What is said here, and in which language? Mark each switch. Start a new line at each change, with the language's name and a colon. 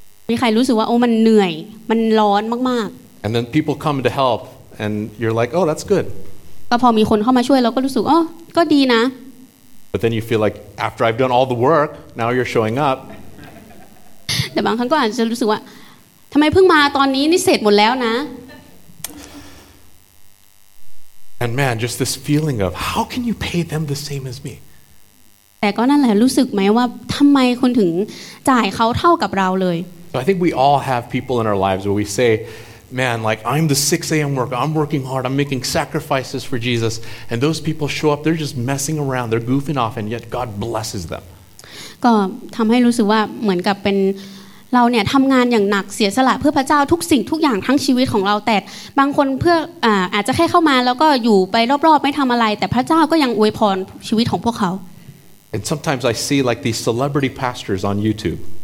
Thai: มีใครรู้สึกว่าโอ้มันเหนื่อยมันร้อนมาก
English: ๆ And then people come to help, and you're like, oh, that's good.
Thai: ก็พอมีคนเข้ามาช่วยเราก็รู้สึกอ๋อก็ดีนะ
English: But then you feel like after I've done all the work, now you're showing up.
Thai: แต่บางครั้งก็อาจจะรู้สึกว่าทำไมเพิ่งมาตอนนี้นี่เสร็จหมดแล้วนะ
English: And man, just this feeling of how can you pay them the same as me?
Thai: แต่ก็นั่นแหละรู้สึกไหมว่าทำไมคุณถึงจ่ายเขาเท่ากับเราเลย
English: So I think we all have people in our lives where we say, man, like I'm the 6 a.m. worker. I'm working hard. I'm making sacrifices for Jesus. And those people show up. They're just messing around. They're goofing off, and yet God blesses them.
Thai: ก็ทำให้รู้สึกว่าเหมือนกับเป็นเราเนี่ยทำงานอย่างหนักเสียสละเพื่อพระเจ้าทุกสิ่งทุกอย่างทั้งชีวิตของเราแต่บางคนเพื่ออาจจะแค่เข้ามาแล้วก็อยู่ไปรอบๆไม่ทำอะไรแต่พระเจ้าก็ยังอวยพรชีวิตของพวกเขา
English: And sometimes I see like these celebrity pastors on YouTube.